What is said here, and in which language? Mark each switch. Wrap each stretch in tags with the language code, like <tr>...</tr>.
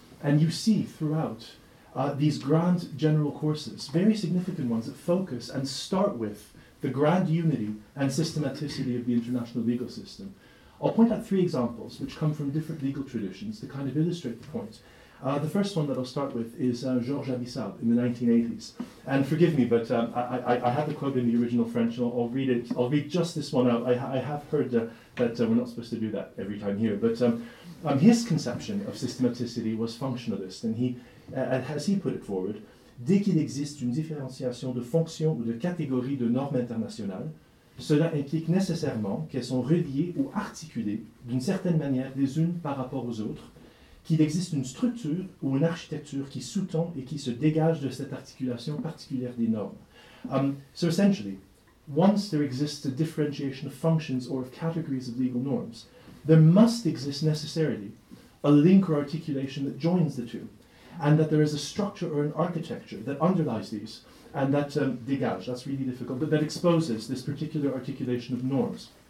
<en>And you see throughout these grand general courses, very significant ones that focus and start with the grand unity and systematicity of the international legal system. I'll point out three examples which come from different legal traditions to kind of illustrate the point. The first one that I'll start with is Georges Abissal in the 1980s. And forgive me, but I have the quote in the original French, and I'll read it. I'll read just this one out. I have heard that we're not supposed to do that every time here, but his conception of systematicity was functionalist, and as he put it forward,</en> <fr>dès qu'il existe une différenciation de fonction ou de catégorie de normes internationales, cela implique nécessairement qu'elles sont reliées ou articulées d'une certaine manière les unes par rapport aux autres, qu'il existe une structure ou une architecture qui sous-tend et qui se dégage de cette articulation particulière des normes.</fr> <en>So essentially, once there exists a differentiation of functions or of categories of legal norms, there must exist necessarily a link or articulation that joins the two, and that there is a structure or an architecture that underlies these, and that dégage, that's really difficult, but that exposes this particular articulation of norms.</en>